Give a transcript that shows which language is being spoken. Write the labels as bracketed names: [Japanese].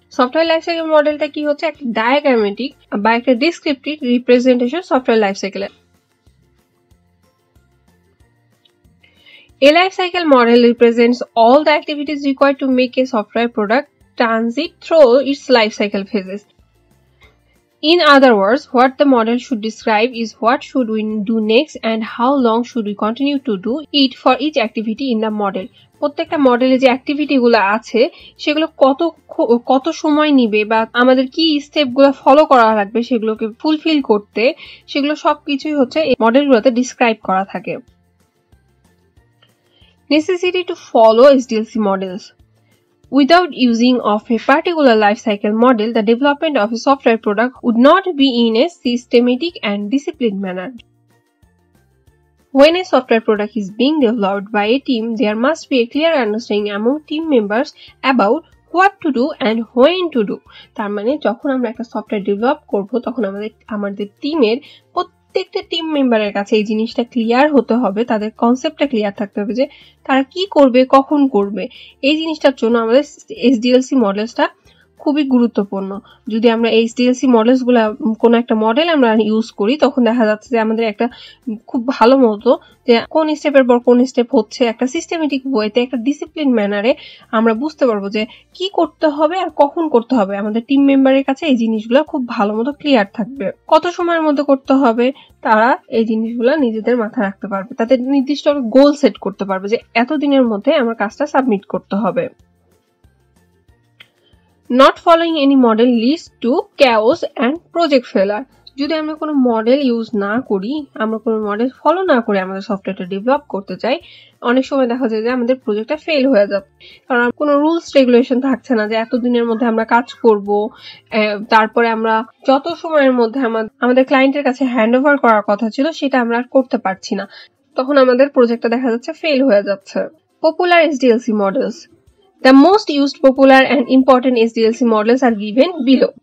[Bangla] Software life cycle মডেলটা কি হচ্ছে একটা ডায়াগ্রামেটিক বা একটা ডিসক্রিপটিভ রিপ্রেজেন্টেশন সফটওয়্যার লাইফ সাইকেলের। [English] A life cycle model represents all the activities required to make a software product transit through its life cycle phases. In other words, what the model should describe is what should we do next and how long should we continue to do it for each activity in the model. [Bangla] প্রত্যেকটা মডেলে যে অ্যাক্টিভিটিগুলো আছে সেগুলো কত কত সময় নিবে বা আমাদের কি স্টেপগুলো ফলো করা লাগবে সেগুলোকে ফুলফিল করতে, সেগুলো সব কিছুই হচ্ছে এই মডেলগুলোতে ডিসক্রাইব করা থাকে। [English] Necessity to follow SDLC models. Without using of a particular life cycle model, the development of a software product would not be in a systematic and disciplined manner. When a software product is being developed by a team, there must be a clear understanding among team members about what to do and when to do. [Bangla] তার মানে যখন আমরা একটা software develop করব তখন আমাদের টিমের প্রত্যেকটা টিম মেম্বারের কাছে এই জিনিসটা ক্লিয়ার হতে হবে, তাদের কনসেপ্টটা ক্লিয়ার থাকতে হবে যে তারা কি করবে, কখন করবে। এই জিনিসটার জন্য আমাদের এসডিএলসি মডেলসটা খুবই গুরুত্বপূর্ণ। যদি আমরা এসডিএলসি মডেলসগুলো কোনো একটা মডেল আমরা ইউজ করি তখন দেখা যাচ্ছে যে আমাদের একটা খুব ভালো মতো যে কোন স্টেপের পর কোন স্টেপ হচ্ছে একটা সিস্টেমেটিক ওয়েতে একটা ডিসিপ্লিন ম্যানারে আমরা বুঝতে পারবো যে কি করতে হবে আর কখন করতে হবে। আমাদের টিম মেম্বারের কাছে এই জিনিসগুলো খুব ভালো মতো ক্লিয়ার থাকবে, কত সময়ের মধ্যে করতে হবে তারা এই জিনিসগুলো নিজেদের মাথায় রাখতে পারবে, তাদের নির্দিষ্ট গোল সেট করতে পারবে যে এতদিনের মধ্যে আমার কাজটা সাবমিট করতে হবে। [English] Not following any model leads to chaos and project failure. [Bangla] যদি আমরা কোনো মডেল ইউজ না করি, আমরা কোনো মডেল ফলো না করে আমাদের সফটওয়্যারটা ডেভেলপ করতে চাই, অনেক সময় দেখা যায় যে আমাদের প্রজেক্টটা ফেল হয়ে যাবে। কারণ কোনো রুলস রেগুলেশন থাকছে না যে এতদিনের মধ্যে আমরা কাজ করব, তারপরে আমরা যত সময়ের মধ্যে আমাদের ক্লায়েন্টের কাছে হ্যান্ড ওভার করার কথা ছিল সেটা আমরা আর করতে পারছি না, তখন আমাদের প্রজেক্টটা দেখা যাচ্ছে ফেল হয়ে যাচ্ছে। [English] Popular SDLC models. The most used popular and important SDLC models are given below.